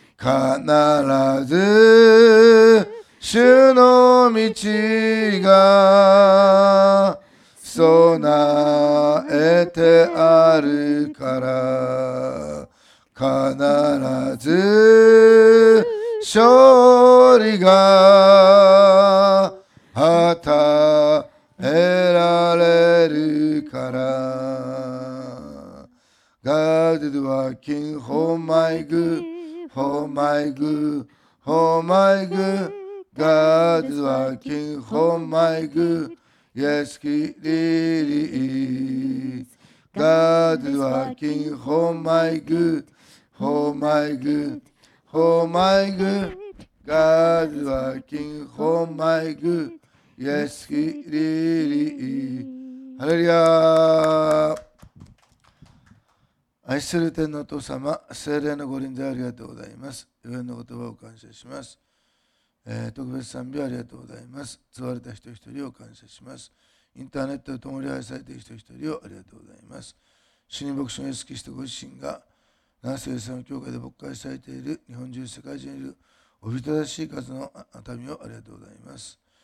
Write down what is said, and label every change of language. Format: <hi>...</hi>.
<ja>必ず主の道が備えてあるから、必ず勝利が与えられるから。</ja> <en>God is working for my good, for my good, for my good.God is working for my good.Yes, He really is.God is working for my good, for my good, for my good.God is working for my good.Yes, He really is. ハレルヤー。</en> <ja>愛する天のお父様、聖霊の御臨在ありがとうございます。御言の言葉を感謝します。特別賛美ありがとうございます。座れた人一人を感謝します。インターネットで共に愛されている人一人をありがとうございます。主任牧師のイエス・キリストご自身が七世紀の教会で牧会されている日本中、世界中にいるおびただしい数の民をありがとうございます。</ja>